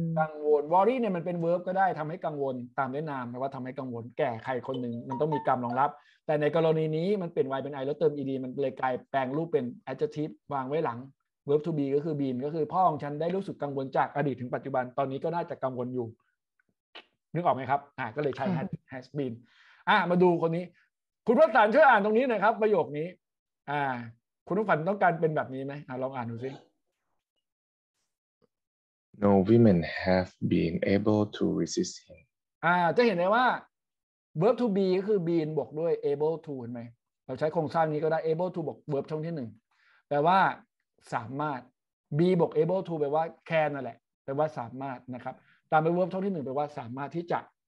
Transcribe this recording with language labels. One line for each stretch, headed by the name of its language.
Thai: กังวล worry เนี่ยมันเป็น verb ก็ได้ทำให้กังวลตามด้วยนามแปลว่าทำให้กังวลแก่ใครคนหนึ่งมันต้องมีกรรมรองรับแต่ในกรณีนี้มันเป็น y เป็น i แล้วเติม ed มันเลยกลายแปลงรูปเป็น adjective วางไว้หลัง verb to be ก็คือ been ก็คือพ่อของฉันได้รู้สึกกังวลจากอดีตถึงปัจจุบันตอนนี้ก็น่าจะกังวลอยู่นึกออกไหมครับก็เลยใช้ has been มาดูคนนี้คุณพระสารช่วยอ่านตรงนี้หน่อยครับประโยคนี้คุณผู้ฟังต้องการเป็นแบบนี้ไหมลองอ่านดูสิ
English: No women have been able to resist him.
Thai: จะเห็นได้ว่า verb to be ก็คือ been บวกด้วย able to เห็นไหมเราใช้โครงสร้างนี้ก็ได้ able to บวก verb ช่องที่หนึ่งแปลว่าสามารถ be บวก able to แปลว่า can นั่นแหละแปลว่าสามารถนะครับตามไป verb ช่องที่หนึ่งแปลว่าสามารถที่จะ